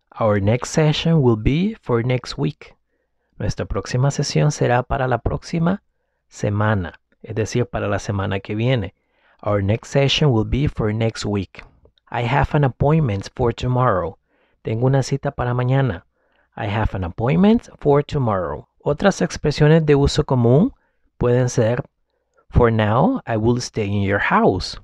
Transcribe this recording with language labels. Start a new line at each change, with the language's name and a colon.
English: Our next session will be for next week.
Spanish: Nuestra próxima sesión será para la próxima semana, es decir, para la semana que viene.
English: Our next session will be for next week. I have an appointment for tomorrow.
Spanish: Tengo una cita para mañana.
English: I have an appointment for tomorrow.
Spanish: Otras expresiones de uso común pueden ser
English: for now, I will stay in your house.